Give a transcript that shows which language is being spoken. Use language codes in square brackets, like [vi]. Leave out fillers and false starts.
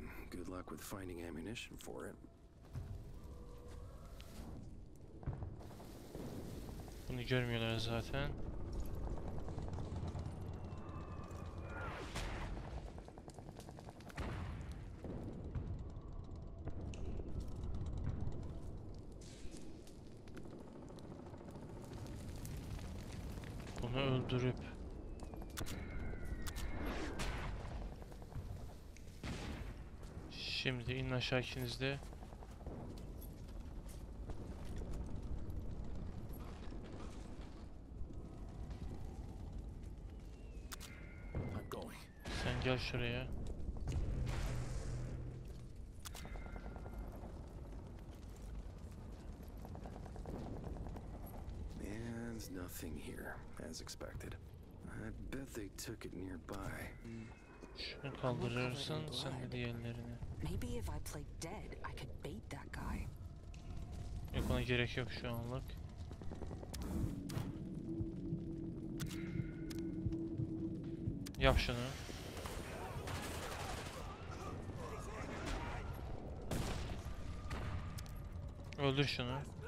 [en] Good luck with finding ammunition for it. [tr] Bunu görmüyorlar zaten. Bunu öldürüp şimdi inin aşağı ikiniz de. Gel şuraya. [en] And nothing here, as expected. I bet they took it nearby. [tr] Şunu kaldırırsın sen de diğerlerini. [en] Maybe if I played dead, I could bait that guy. [tr] Yok, ona gerek yok şu anlık. Yap şunu. Öldür şunu.